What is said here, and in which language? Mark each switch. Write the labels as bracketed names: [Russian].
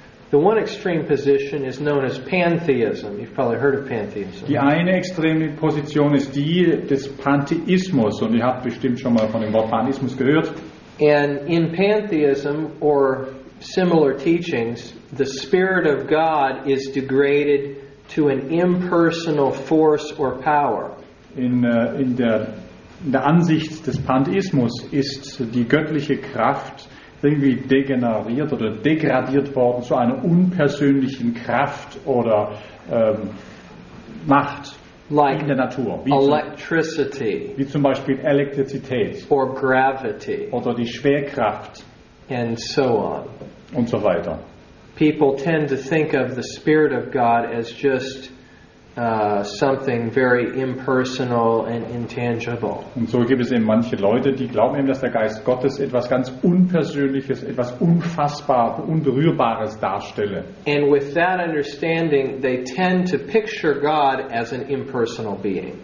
[English] The one extreme position is known as pantheism. You've probably heard of pantheism. [German] Die eine extreme Position ist die des Pantheismus, und ihr habt bestimmt schon mal von dem Wort Pantheismus gehört. [English] And in pantheism or similar teachings, the Spirit of God is degraded to an impersonal force or power. [German] In der Ansicht des Pantheismus ist die göttliche Kraft irgendwie degeneriert oder degradiert worden zu einer unpersönlichen Kraft oder Macht [English] like [German] in der Natur, wie zum Beispiel Elektrizität [English] or gravity [German] oder die Schwerkraft [English] and so on. [German] Und so weiter. [English] People tend to think of the Spirit of God as just something very impersonal and intangible. [German] Und so gibt es eben manche Leute, die glauben eben, dass der Geist Gottes etwas ganz Unpersönliches, etwas Unfassbares, Unberührbares darstelle. [English] And with that understanding, they tend to picture God as an impersonal being.